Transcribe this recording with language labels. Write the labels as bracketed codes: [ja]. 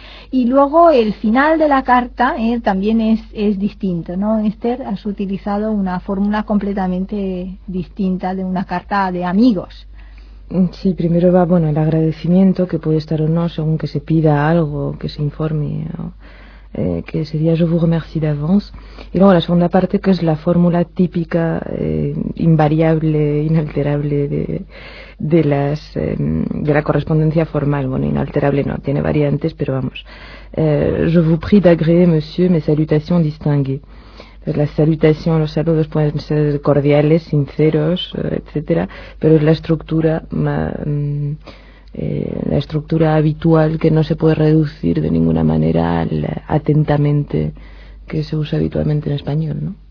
[es] Y luego el final de la carta también es distinto, ¿no? Esther, has utilizado una fórmula completamente distinta de una carta de amigos. Sí, primero va, bueno, el agradecimiento, que puede estar o no, según que se pida algo, que se informe, ¿no? Que sería [fr] je vous remercie d'avance. [es] Y luego la segunda parte, que es la fórmula típica, invariable, inalterable de la correspondencia formal. Bueno, inalterable no, tiene variantes, pero vamos. [fr] Je vous prie d'agréer, monsieur, mes salutations distinguées. [es] La salutación, los saludos pueden ser cordiales, sinceros, etcétera, pero es la estructura habitual, que no se puede reducir de ninguna manera al atentamente que se usa habitualmente en español, ¿no?